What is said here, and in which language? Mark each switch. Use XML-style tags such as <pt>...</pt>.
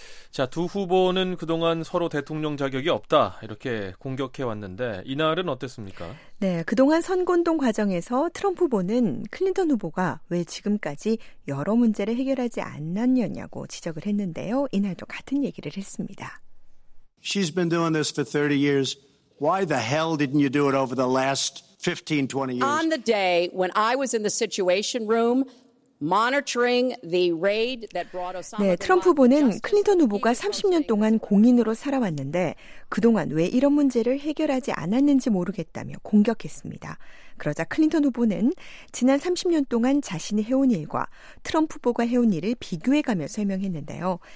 <ko>자, 두 후보는 그동안 서로 대통령 자격이 없다 이렇게 공격해왔는데 이날은 어땠습니까? 네, 그동안 선거운동 과정에서 트럼프 후보는 클린턴 후보가 왜 지금까지 여러 문제를 해결하지 않았냐고 지적을 했는데요. 이날도 같은 얘기를 했습니다.</ko> <en>She's been doing this for 30 years. Why the hell didn't you do it over the last 15, 20 years? On the day when I was in the Situation Room, monitoring the raid that brought Osama.</en> <ko>네, 트럼프 후보는 클린턴 후보가 30년 동안 공인으로 살아왔는데 그동안 왜 이런 문제를 해결하지 않았는지 모르겠다며 공격했습니다. 그러자 클린턴 후보는 지난 30년 동안 자신이 해온 일과 트럼프 후보가 해온 일을 비교해가며 설명했는데요.</ko>